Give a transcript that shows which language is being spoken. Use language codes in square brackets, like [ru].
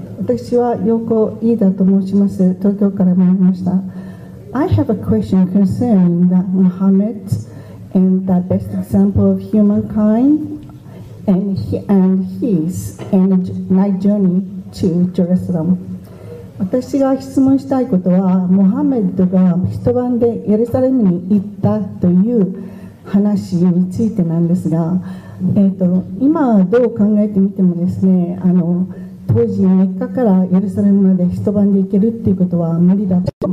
[ja] 私はヨーコ・イーダと申します。東京から参りました。 [en] I have a question concerning that Muhammad and the best example of humankind and his and night journey to Jerusalem. [ja] 私が質問したいことは、モハメッドが一晩でエルサレムに行ったという話についてなんですが、今どう考えてみてもですね、当時メッカからエルサレムまで一晩で行けるっていうことは無理だと。